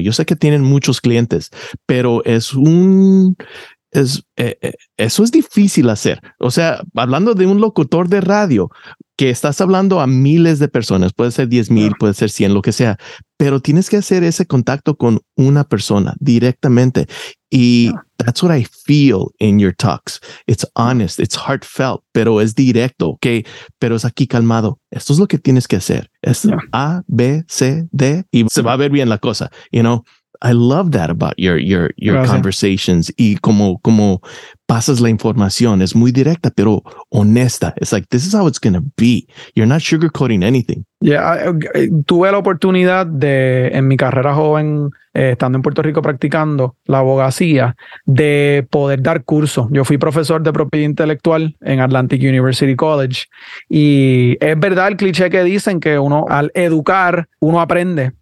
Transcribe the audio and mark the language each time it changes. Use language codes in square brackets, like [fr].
[es] Yo sé que tienen muchos clientes, pero eso es difícil hacer. O sea, hablando de un locutor de radio, que estás hablando a miles de personas, puede ser 10,000, puede ser 100, lo que sea, pero tienes que hacer ese contacto con una persona directamente. [en] Y that's what I feel in your talks. It's honest, it's heartfelt, [es] pero es directo, okay? Pero es aquí calmado. Esto es lo que tienes que hacer. Es A, B, C, D, y se va a ver bien la cosa, [en] you know? I love that about your [es] gracias, [en] conversations [es] y como pasas la información. Es muy directa, pero honesta. [en] It's like, this is how it's going to be. You're not sugarcoating anything. [es] Yeah, tuve la oportunidad de, en mi carrera joven, estando en Puerto Rico practicando la abogacía, de poder dar cursos. Yo fui profesor de propiedad intelectual en Atlantic University College. Y es verdad el cliché que dicen que uno, al educar, uno aprende.